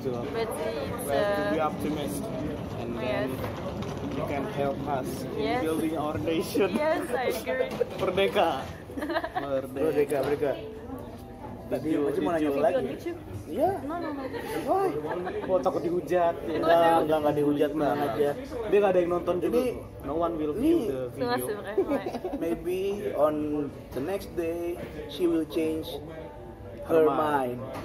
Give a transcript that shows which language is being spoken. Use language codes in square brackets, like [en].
[en] But it's you can help us in building our nation. Yes, I agree. [id] Merdeka. Tadi masih mau nanya lagi. Ya. [en] No. Why? [id] Kok takut dihujat? Enggak dihujat mah aja. Dia enggak ada yang nonton juga. [en] No one will view the video. Maybe on the next day she will change her mind.